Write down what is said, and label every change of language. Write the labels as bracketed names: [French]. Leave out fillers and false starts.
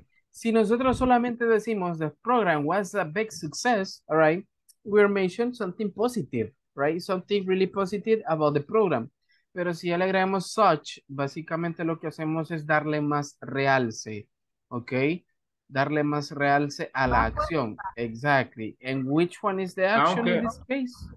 [Spanish] Si nosotros solamente decimos [English] the program was a big success, all right, we're mentioning something positive, right? Something really positive about the program. [Spanish] Pero si ya le agregamos such, básicamente lo que hacemos es darle más realce, okay? Darle más realce a la acción. Exactly. [English] And which one is the action in this case?